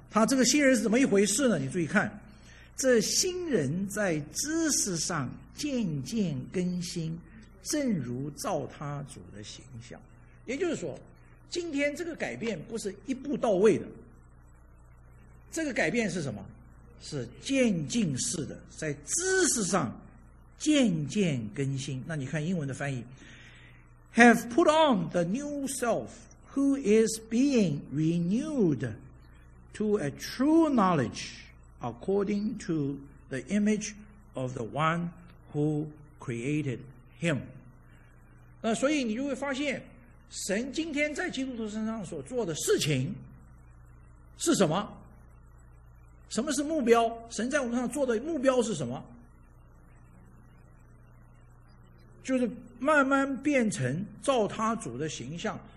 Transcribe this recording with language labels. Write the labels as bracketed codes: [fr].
[zh] 它这个新人是怎么一回事呢？你注意看，这新人在知识上渐渐更新，正如照他主的形象。也就是说，今天这个改变不是一步到位的，这个改变是什么？是渐进式的，在知识上渐渐更新。那你看英文的翻译 [en] Have put on the new self who is being renewed to a true knowledge according to the image of the one who created him。 [zh] 那所以你就会发现，神今天在基督徒身上所做的事情是什么？什么是目标？神在我们上做的目标是什么？就是慢慢变成照他主的形象。